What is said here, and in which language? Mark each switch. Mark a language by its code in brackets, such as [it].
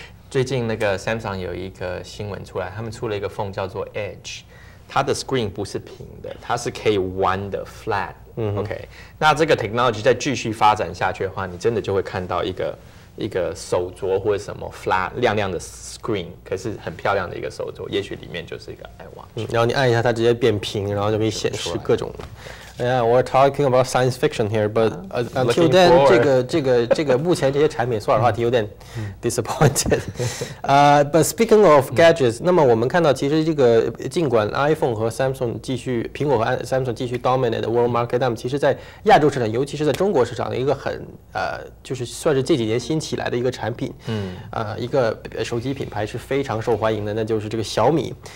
[zh] 最近那个 Samsung 有一个新闻出来，他们出了一个 phone 叫做 Edge， 它的 screen 不是平的，它是可以弯的 flat。嗯，OK。那这个 technology 再继续发展下去的话，你真的就会看到一个手镯或者什么 flat 亮亮的 screen， 可是很漂亮的一个手镯，也许里面就是一个 iWatch、嗯。然后你按一下，它直接变平，然后就可以显示各种。 [en] Yeah, we're talking about science fiction here, but until then, [zh] 这个目前这些产品，说实话有点 [en] disappointed. But speaking of gadgets, [zh] 那么我们看到其实这个尽管 iPhone 和 Samsung 继续苹果和 Samsung 继续 [en] dominate the world market, [zh] 但其实在亚洲市场，尤其是在中国市场的一个很就是算是这几年新起来的一个产品，一个手机品牌是非常受欢迎的，那就是这个小米。